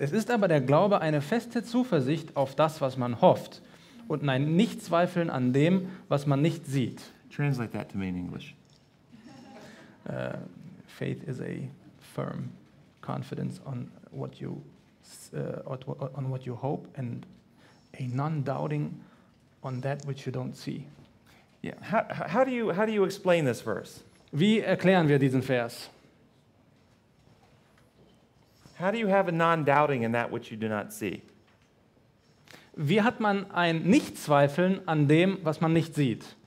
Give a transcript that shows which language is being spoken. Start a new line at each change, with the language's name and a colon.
German: Es ist aber der Glaube eine feste Zuversicht auf das, was man hofft, und ein Nichtzweifeln an dem, was man nicht sieht.
English: Translate that to me in English. faith is a firm confidence on what you on what you hope, and a non-doubting on that which you don't see. Yeah. How do you explain this verse?
German: Wie erklären wir diesen Vers?
English: How do you have a non-doubting in that which you do not see?
German: Wie hat man ein Nichtzweifeln an dem, was man nicht sieht?